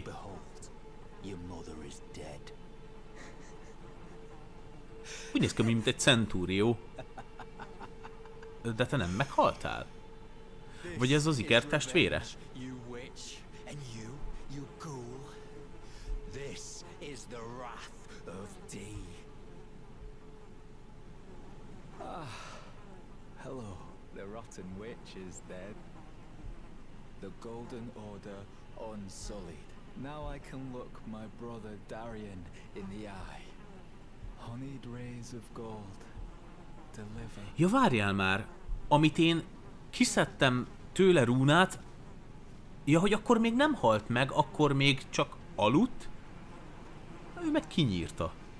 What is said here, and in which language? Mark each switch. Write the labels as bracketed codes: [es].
[en] Behold, your mother is dead. [hu] Úgy néz ki, mint egy centúrió. De te nem meghaltál? Vagy ez az Iker testvére? [en] You witch, and you, you ghoul. This is the wrath of D. Hello, the rotten witch is dead. The Golden Order unsullied. Now I can look my brother Darien in the eye. Honeyed rays of gold. Deliver. [hu] Ja, várjál már! Amit én kiszedtem tőle rúnát, ja, hogy akkor még nem halt meg, akkor még csak aludt? Na, ő meg kinyírta.